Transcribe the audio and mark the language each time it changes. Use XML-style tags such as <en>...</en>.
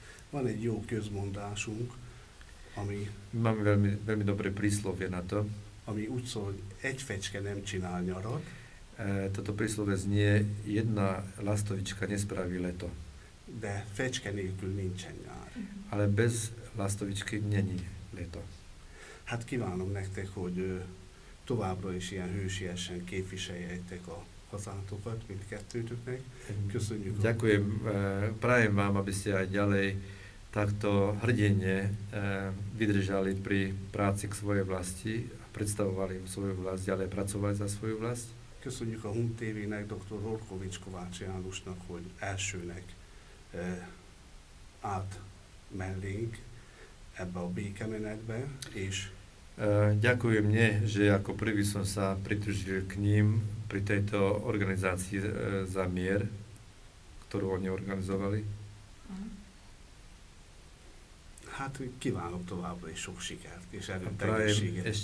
<hu>Van egy jó közmondásunk, ami...</hu> <sk>Máme veľmi, veľmi dobré príslovie na to.</sk> <hu>Ami úgy szól, hogy egy fecske nem csinál nyarat.</hu> <sk>Toto príslovie znie, jedna lastovička nespraví leto.</sk> <hu>De fecske nélkül nincsen nyár.</hu> <sk>Ale bez lastovičky není leto.</sk> <hu>Hát kívánom nektek, hogy továbbra is ilyen hősiesen képviseljétek a hazátokat mindkettőtöknek. Köszönjük.</hu> <sk>Ďakujem, prajem vám, aby ste aj ďalej takto hrdenne vydržali pri práci k svojej vlasti a predstavovali svoju vlast, ďalej pracovali za svoju vlast.</sk> <hu>Köszönjük a Hung TV-nek, dr. Horkovics Kovács Jánosnak, hogy elsőnek állt mellénk ebbe a békemenetbe, és...</hu> <sk>Ďakujem mne, že ako prvý som sa pridružil k ním pri tejto organizácii za mier, ktorú oni organizovali.</sk> <hu>Hát kívánok továbbra is sok sikert, és erőteljességet.</hu>